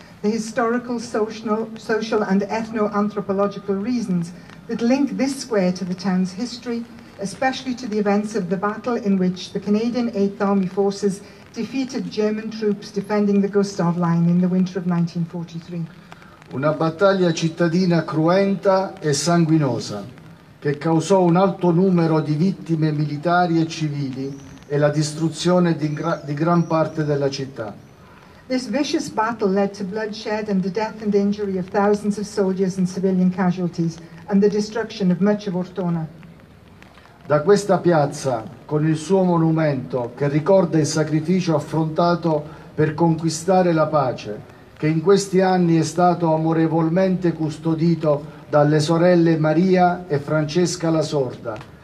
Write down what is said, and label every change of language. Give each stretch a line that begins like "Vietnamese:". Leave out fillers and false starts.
English: the historical, social and ethno-anthropological reasons that link this square to the town's history, especially to the events of the battle in which the Canadian 8th Army Forces defeated German troops defending the Gustav Line in the winter of 1943.
Italian: Una battaglia cittadina cruenta e sanguinosa che causò un alto numero di vittime militari e civili e la distruzione di gran parte della città.
English: This vicious battle led to bloodshed and the death and injury of thousands of soldiers and civilian casualties and the destruction of much of Ortona.
Italian: Da questa piazza, con il suo monumento che ricorda il sacrificio affrontato per conquistare la pace, che in questi anni è stato amorevolmente custodito dalle sorelle Maria e Francesca la Sorda,